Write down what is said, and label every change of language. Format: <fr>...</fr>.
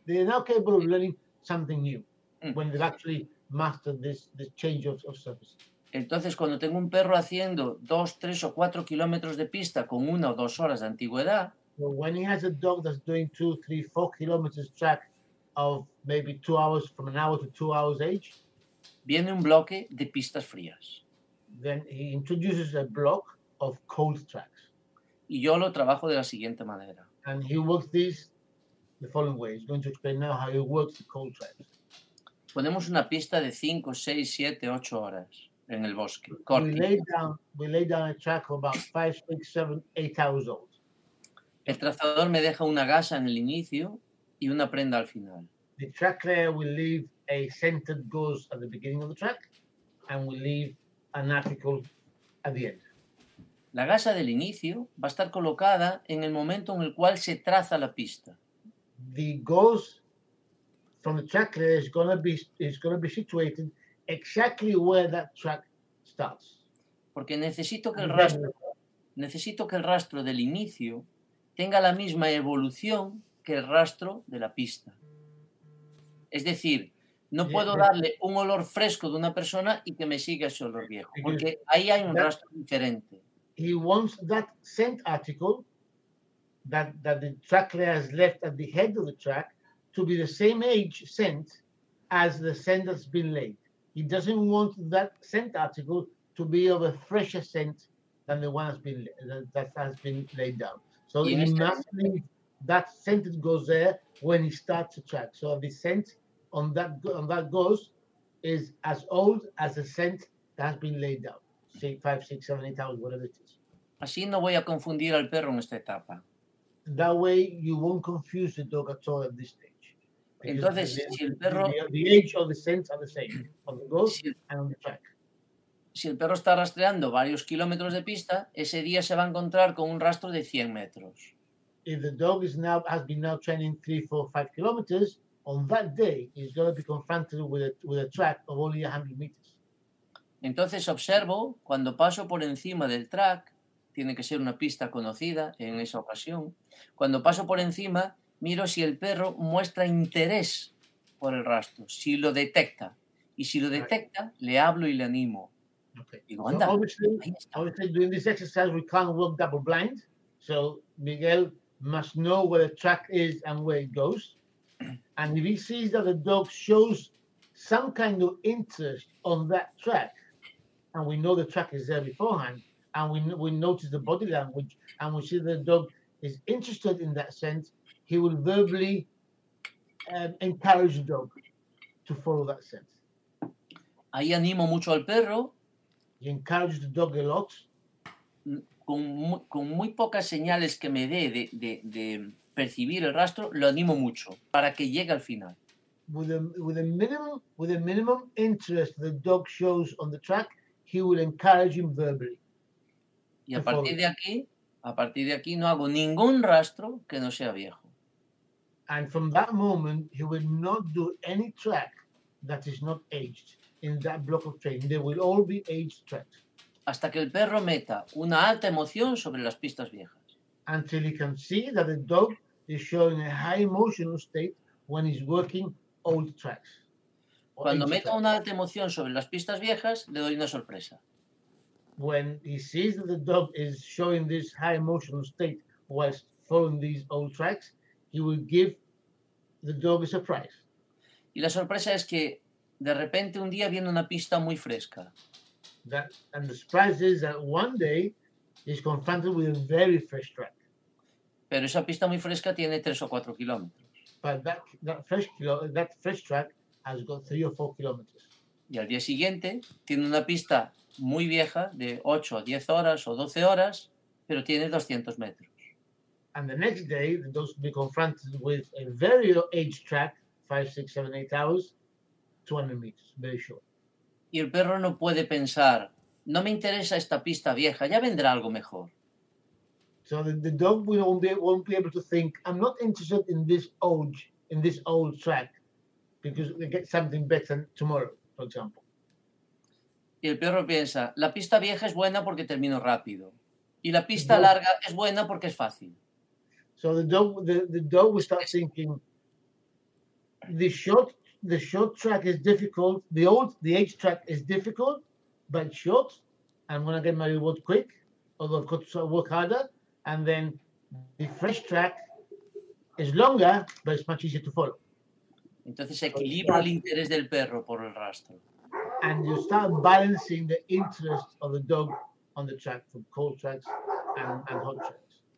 <en>They're now capable of learning something new when they've actually mastered this change of surface.</en> <es>Entonces, cuando tengo un perro haciendo 2, 3,</es> <en>or</en> <es>4 kilómetros de pista con 1</es> <en>or 2 hours</en> <es>de antigüedad,</es> <en>well, when he has a dog that's doing 2, 3, 4 kilometers track of maybe 2 hours, from an hour to 2 hours age,</en> <es>viene un bloque de pistas frías.</es> <en>Then he introduces a block of cold tracks.</en> <es>Y yo lo trabajo de la siguiente manera.</es> <en>And he works this the following way. He's going to explain now how he works the cold tracks.</en> <es>Ponemos una pista de 5, 6, 7, 8 horas en el bosque. Corta.</es> <en>We lay down a track of about 5, 6, 7, 8 hours old.</en> <es>El trazador me deja una gasa en el inicio y una prenda al final.</es> <en>The track layer will leave a scented gauze at the beginning of the track and we leave an article at the end.</en> <es>La gasa del inicio va a estar colocada en el momento en el cual se traza la pista.</es> <en>The gauze from the track layer is going to be situated exactly where that track starts.</en> <es>Porque necesito que el rastro del inicio tenga la misma evolución que el rastro de la pista. Es decir, no puedo darle un olor fresco de una persona y que me siga ese olor viejo, porque ahí hay un rastro diferente.</es> <en>He wants that scent article that the track layer has left at the head of the track to be the same age scent as the scent that's been laid. He doesn't want that scent article to be of a fresher scent than the one that has been laid down. So he must leave that scent that goes there when he starts to track. So the scent on that ghost is as old as the scent that has been laid down. Say 5, 6, 7, 8 hours, whatever it is.</en> <es>Así no voy a confundir al perro en esta etapa.</es> <en>That way you won't confuse the dog at all at this stage. Because</en> <es>entonces, si el perro...</es> <en>The age of the scent are the same, on the ghost and on the track.</en> <es>Si el perro está rastreando varios kilómetros de pista, ese día se va a encontrar con un rastro de 100 metros.</es> <en>If the dog has been training 3, 4, 5 kilometers, on that day, he's going to be confronted with a track of only 100 meters.</en> <es>Entonces observo cuando paso por encima del track, tiene que ser una pista conocida en esa ocasión. Cuando paso por encima, miro si el perro muestra interés por el rastro, si lo detecta. Y si lo detecta, le hablo y le animo.</es> <en>Okay.</en> <es>Digo, anda,</es> <en>obviously, doing this exercise, we can't walk double blind. So Miguel must know where the track is and where it goes. And if he sees that the dog shows some kind of interest on that track, and we know the track is there beforehand, and we notice the body language, and we see that the dog is interested in that scent, he will verbally encourage the dog to follow that scent.</en> <es>Ahí animo mucho al perro.</es> <en>He encourages the dog a lot.</en> <es>Con muy pocas señales que me dé de percibir el rastro, lo animo mucho para que llegue al final.</es> <en>With a minimum interest the dog shows on the track, he will encourage him verbally.</en> <es>Y a partir de aquí, a partir de aquí, no hago ningún rastro que no sea viejo.</es> <en>And from that moment, he will not do any track that is not aged in that block of train. They will all be aged tracks.</en> <es>Hasta que el perro meta una alta emoción sobre las pistas viejas.</es> <en>Until he can see that the dog is showing a high emotional state when he's working old tracks.</en> <es>Cuando meta una alta emoción sobre las pistas viejas, le doy una sorpresa.</es> <en>When he sees that the dog is showing this high emotional state whilst following these old tracks, he will give the dog a surprise.</en> <es>Y la sorpresa es que de repente un día viene una pista muy fresca.</es> <en>And the surprise is that one day he's confronted with a very fresh track.</en> <es>Pero esa pista muy fresca tiene 3 o 4 kilómetros.</es> <en>But that fresh track has got 3 or 4 kilometers.</en> <es>Y al día siguiente tiene una pista muy vieja de 8 a 10 horas o 12 horas, pero tiene 200 metros.</es> <en>And the next day the dog will be confronted with a very aged track, 5, 6, 7, 8 hours, 200 meters, very short.</en> <es>Y el perro no puede pensar, no me interesa esta pista vieja, ya vendrá algo mejor.</es> <en>So the dog won't be able to think, I'm not interested in this old track, because we get something better tomorrow, for example.</en> <es>Y el perro piensa, la pista vieja es buena porque termino rápido. Y la pista larga es buena porque es fácil.</es> <en>So the dog will start thinking, the short track is difficult, the age track is difficult, but short, I'm going to get my reward quick, although I've got to work harder, and then the fresh track is longer, but it's much easier to follow.</en> <es>Entonces equilibra el interés del perro por el rastro.</es> <en>And you start balancing the interest of the dog on the track from cold tracks and hot tracks.</en>